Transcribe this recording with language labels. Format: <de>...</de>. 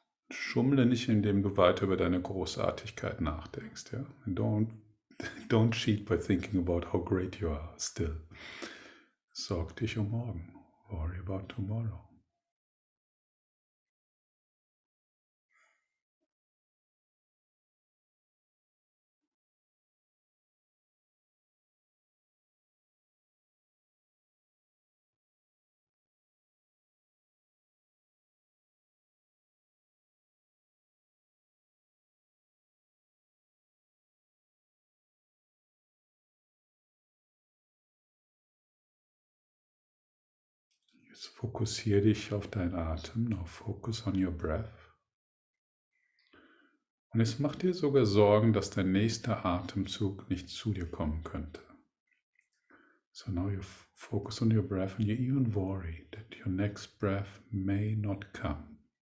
<de>Schummle nicht, indem du weiter über deine Großartigkeit nachdenkst. Ja?</de> <en>Don't cheat by thinking about how great you are still.</en> <de>Sorg dich um morgen.</de> <en>Worry about tomorrow.</en> <de>Jetzt fokussiere dich auf deinen Atem,</de> <en>now focus on your breath.</en> <de>Und es macht dir sogar Sorgen, dass dein nächster Atemzug nicht zu dir kommen könnte.</de> <en>So now you focus on your breath and you even worry that your next breath may not come.</en>